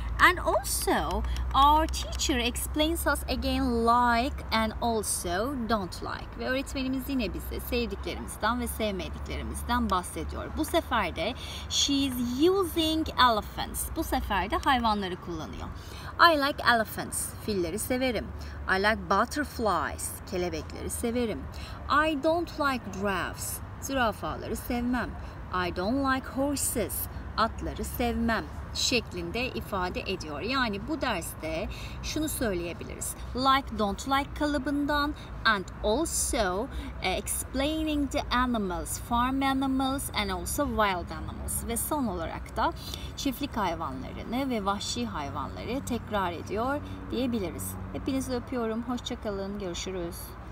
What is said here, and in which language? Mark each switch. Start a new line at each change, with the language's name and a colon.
English: And also, our teacher explains us again like and also don't like.
Turkish: Ve öğretmenimiz yine bize sevdiklerimizden ve sevmediklerimizden bahsediyor. Bu sefer de
English: she's using elephants.
Turkish: Bu sefer de hayvanları kullanıyor.
English: I like elephants.
Turkish: Filleri severim.
English: I like butterflies.
Turkish: Kelebekleri severim.
English: I don't like giraffes.
Turkish: Zürafaları sevmem.
English: I don't like horses.
Turkish: Atları sevmem şeklinde ifade ediyor. Yani bu derste şunu söyleyebiliriz.
English: Like, don't like kalıbından and also explaining the animals, farm animals and also wild animals.
Turkish: Ve son olarak da çiftlik hayvanlarını ve vahşi hayvanları tekrar ediyor diyebiliriz. Hepinizi öpüyorum. Hoşça kalın. Görüşürüz.